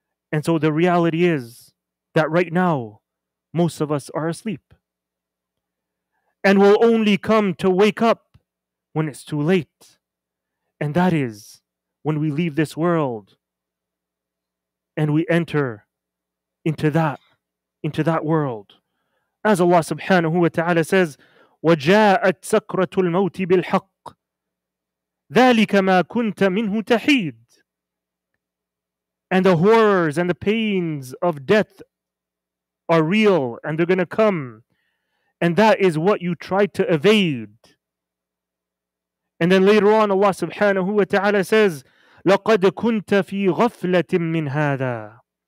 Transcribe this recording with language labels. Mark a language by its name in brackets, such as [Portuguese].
[English] And so the reality is that right now, most of us are asleep. And we'll only come to wake up when it's too late. And that is when we leave this world and we enter into that world. As Allah subhanahu wa ta'ala says, [Arabic] وَجَاءَتْ سَكْرَةُ الْمَوْتِ بِالْحَقِّ ذَلِكَ مَا كُنْتَ مِنْهُ تَحِيدٌ. [English] And the horrors and the pains of death are real, and they're going to come. And that is what you tried to evade. And then later on, Allah subhanahu wa ta'ala says, [Arabic] لَقَدْ كُنْتَ فِي غَفْلَةٍ مِّنْ هَذَا.